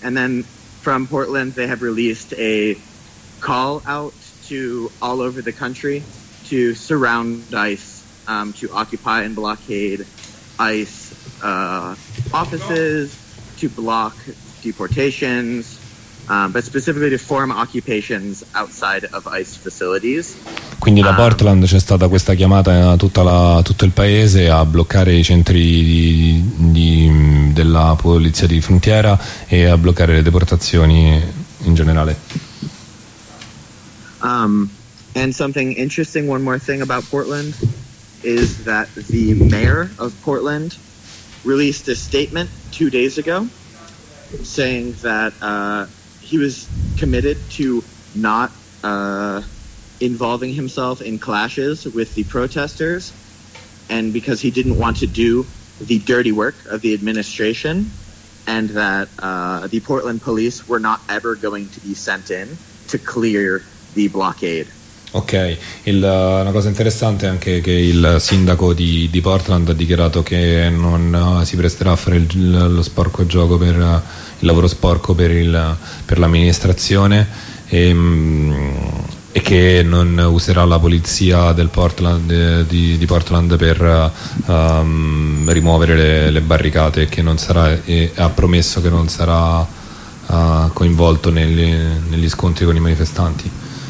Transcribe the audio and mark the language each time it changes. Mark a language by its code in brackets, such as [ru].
[en] And then from Portland they have released a call out to all over the country to surround ICE, to occupy and blockade ICE offices, to block deportations. But specifically to form occupations outside of ICE facilities. [it] Quindi da Portland c'è stata questa chiamata a tutto il paese a bloccare i centri della polizia di frontiera e a bloccare le deportazioni in generale. [en] And something interesting, one more thing about Portland, is that the mayor of Portland released a statement 2 days ago saying that he was committed to not involving himself in clashes with the protesters, and because he didn't want to do the dirty work of the administration, and that the Portland police were not ever going to be sent in to clear the blockade. [it] Ok, una cosa interessante è anche che il sindaco di Portland ha dichiarato che non si presterà a fare lo sporco gioco per il lavoro sporco per l'amministrazione, e che non userà la polizia del Portland di Portland per rimuovere le barricate, che non sarà, e ha promesso che non sarà coinvolto negli scontri con i manifestanti.